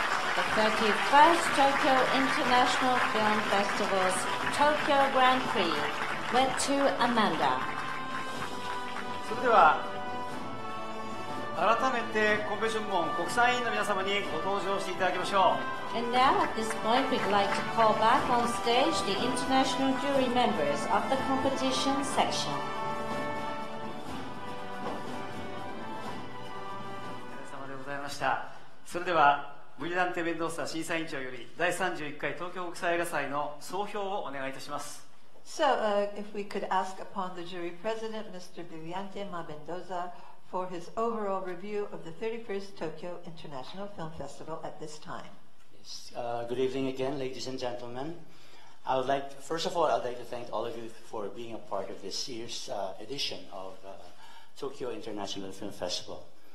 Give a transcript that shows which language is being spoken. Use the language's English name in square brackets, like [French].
[English] The 31st Tokyo International Film Festival's Tokyo Grand Prix went to Amanda. [Japanese] それでは、改めてコンペション部門国際委員の皆様にご登場していただきましょう。 [English] And now at this point we'd like to call back on stage the international jury members of the competition section. [Japanese] 皆様でございました。それではブリダンテ・メンドーサ審査委員長より第31回東京国際映画祭の総評をお願いいたします。 [English] So, if we could ask upon the jury president, Mr. Viviante Ma Mendoza, for his overall review of the 31st Tokyo International Film Festival at this time. Yes, good evening again, ladies and gentlemen. I would like, first of all, I'd like to thank all of you for being a part of this year's edition of Tokyo International Film Festival.